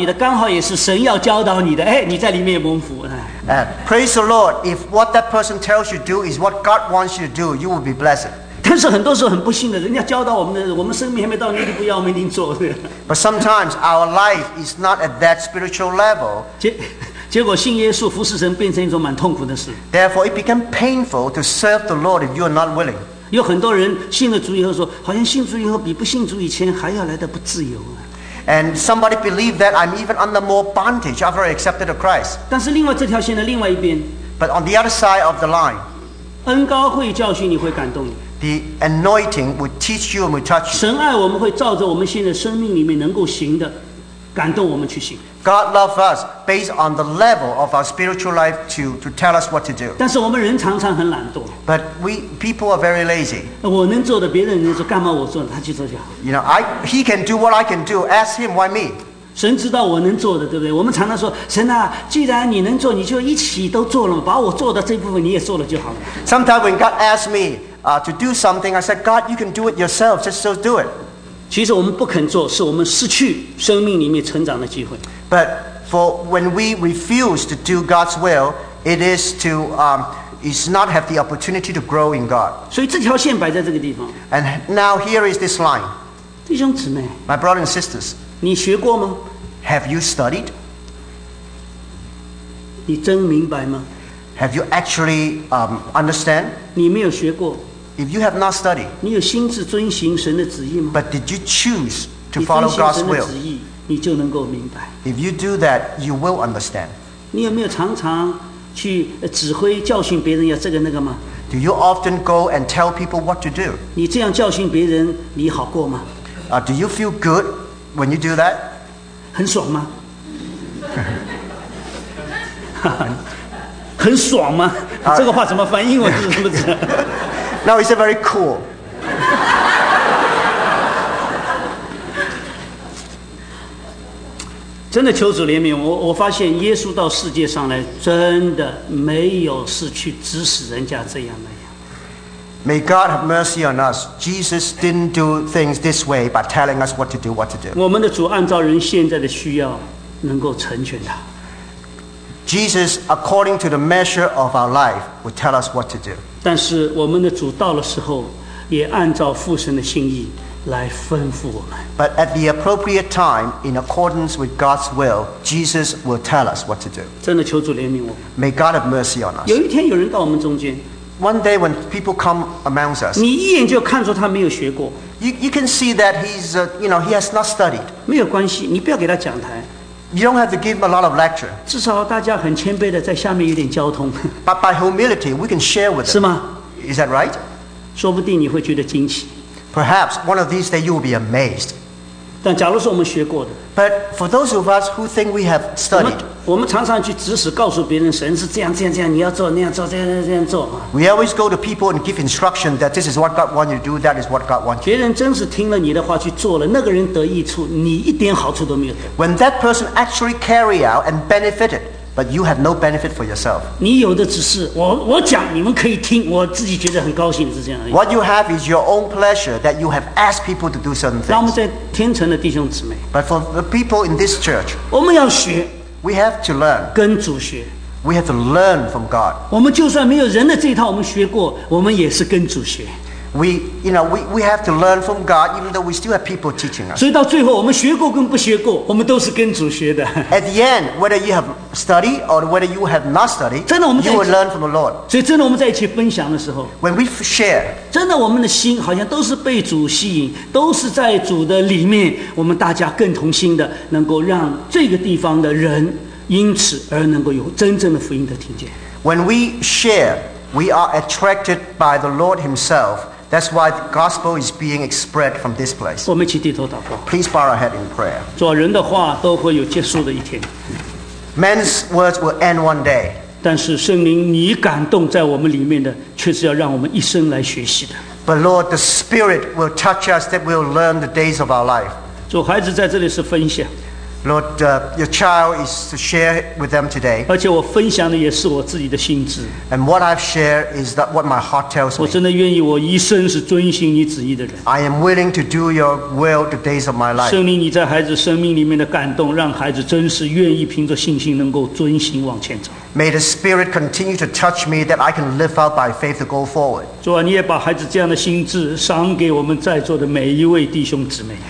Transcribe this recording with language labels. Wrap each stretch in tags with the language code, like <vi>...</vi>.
<zh>感谢主，他要你这样做那样做，教导你的，刚好也是神要教导你的。哎，你在里面也蒙福。</zh> <en>Praise the Lord! If what that person tells you to do is what God wants you to do, you will be blessed.</en> <zh>但是很多时候很不幸的，人家教导我们的，我们生命还没到那个地步，要我们一定做，对。</zh> <en>But sometimes our life is not at that spiritual level.</en> <zh>结果信耶稣服侍神变成一种蛮痛苦的事。</zh> <en>Therefore, it became painful to serve the Lord if you are not willing.</en> <zh>有很多人信了主以后说，好像信主以后比不信主以前还要来得不自由啊。</zh> <en>And somebody believed that I'm even under more bondage after I accepted Christ.</en> <zh>但是另外这条线的另外一边。</zh> <en>But on the other side of the line,</en> <zh>恩膏会教训你，会感动你。</zh> <en>The anointing would teach you and would touch you.</en> <zh>神爱我们会照着我们现在生命里面能够行的。感动我们去信。</zh> <en>God loves us based on the level of our spiritual life to tell us what to do.</en> <zh>但是我们人常常很懒惰。</zh> <en>But we people are very lazy.</en> <zh>我能做的，别人能做，干嘛我做，他去做就好。</zh> <en>You know, he can do what I can do. Ask him why me.</en> <zh>神知道我能做的，对不对？我们常常说，神啊，既然你能做，你就一起都做了，把我做的这部分你也做了就好了。</zh> <en>Sometimes when God asks me to do something, I said, God, you can do it yourself. Just so do it.</en> <zh>其实我们不肯做，是我们失去生命里面成长的机会。</zh> <en>But for when we refuse to do God's will, it is to is not have the opportunity to grow in God.</en> <zh>所以这条线摆在这个地方。</zh> <en>And now here is this line.</en> <zh>弟兄姊妹。</zh> <en>My brothers and sisters.</en> <zh>你学过吗？</zh> <en>Have you studied?</en> <zh>你真明白吗？</zh> <en>Have you actually understand?</en> <zh>你没有学过。</zh> <en>If you have not studied,</en> <zh>你有心智遵行神的旨意吗？</zh> <en>But did you choose to follow God's will?</en> <zh>你遵行神的旨意，你就能够明白。</zh> <en>If you do that, you will understand.</en> <zh>你有没有常常去指挥教训别人要这个那个吗？</zh> <en>Do you often go and tell people what to do?</en> <zh>你这样教训别人，你好过吗？</zh> <en>Do you feel good when you do that?</en> <zh>很爽吗？很爽吗？这个话怎么翻英文？是不是？</zh> <en>Now he said very cool.</en> <zh>真的求主怜悯，我发现耶稣到世界上来真的没有是去指使人家这样那样。</zh> <en>May God have mercy on us. Jesus didn't do things this way by telling us what to do, what to do.</en> <zh>我们的主按照人现在的需要能够成全他。</zh> <en>Jesus, according to the measure of our life, would tell us what to do.</en> <zh>但是我们的主到了时候，也按照父神的心意来吩咐我们。</zh> <en>But at the appropriate time, in accordance with God's will, Jesus will tell us what to do.</en> <zh>真的求主怜悯我。</zh> <en>May God have mercy on us.</en> <zh>有一天有人到我们中间。</zh> <en>One day when people come amongst us,</en> <zh>你一眼就看出他没有学过。</zh> <en>You can see that he's, you know, he has not studied.</en> <zh>没有关系，你不要给他讲台。</zh> <en>You don't have to give him a lot of lecture.</en> <zh>至少大家很谦卑的在下面有点交通。</zh> <en>But by humility, we can share with him.</en> <zh>是吗？</zh> <en>Is that right?</en> <zh>说不定你会觉得惊奇。</zh> <en>Perhaps one of these days you will be amazed.</en> <zh>但假如说我们学过的。</zh> <en>But for those of us who think we have studied,</en> <zh>我们常常去指使告诉别人神是这样这样这样，你要做那样做，这样这样这样做。</zh> <en>We always go to people and give instruction that this is what God wants you to do, that is what God wants.</en> <zh>别人真是听了你的话去做了，那个人得益处，你一点好处都没有。</zh> <en>When that person actually carry out and benefited, but you have no benefit for yourself.</en> <zh>你有的只是我讲，你们可以听，我自己觉得很高兴是这样而已。</zh> <en>What you have is your own pleasure that you have asked people to do certain things.</en> <zh>让我们在天城的弟兄姊妹。</zh> <en>But for the people in this church,</en> <zh>我们要学。</zh> <en>We have to learn.</en> <zh>跟主学。</zh> <en>We have to learn from God.</en> <zh>我们就算没有人的这一套，我们学过，我们也是跟主学。</zh> <en>We have to learn from God, even though we still have people teaching us.</en> <zh>所以到最后，我们学过跟不学过，我们都是跟主学的。</zh> <en>At the end, whether you have studied or whether you have not studied,</en> <zh>真的我们</zh> <en>you will learn from the Lord.</en> <zh>所以真的我们在一起分享的时候</zh> <en>，when we share,</en> <zh>真的我们的心好像都是被主吸引，都是在主的里面，我们大家更同心的，能够让这个地方的人因此而能够有真正的福音的听见。</zh> <en>When we share, we are attracted by the Lord Himself. That's why the gospel is being spread from this place.</en> <zh>我们一起低头祷告。</zh> <en>Please bow our head in prayer.</en> <zh>主，人的话都会有结束的一天。</zh> <en>Man's words will end one day.</en> <zh>但是圣灵，你感动在我们里面的，却是要让我们一生来学习的。</zh> <en>But Lord, the Spirit will touch us that we'll learn the days of our life.</en> <zh>主，孩子在这里是分享。</zh> <en>Lord, your child is to share with them today.</en> <zh>而且我分享的也是我自己的心智。</zh> <en>And what I've shared is that what my heart tells me.</en> <zh>我真的愿意，我一生是遵行你旨意的人。</zh> <en>I am willing to do your will the days of my life.</en> <zh>圣灵，你在孩子生命里面的感动，让孩子真是愿意凭着信心能够遵行往前走。</zh> <en>May the Spirit continue to touch me that I can live out by faith to go forward.</en> <zh>主啊，你也把孩子这样的心智赏给我们在座的每一位弟兄姊妹。</zh>